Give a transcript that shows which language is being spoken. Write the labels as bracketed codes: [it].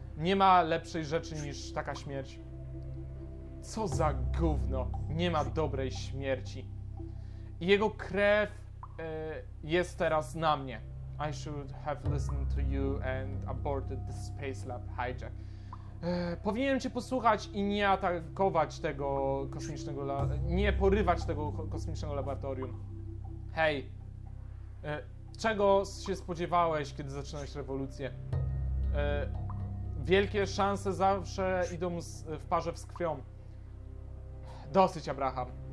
[pl] Nie ma lepszej rzeczy niż taka śmierć. Co za gówno. Nie ma dobrej śmierci. Jego krew jest teraz na mnie. [en] I should have listened to you and aborted the space lab hijack. [pl] Powinienem cię posłuchać i nie atakować tego kosmicznego nie porywać tego kosmicznego laboratorium. Hej, czego się spodziewałeś, kiedy zaczynałeś rewolucję? Wielkie szanse zawsze idą w parze z krwią. Dosyć, Abraham.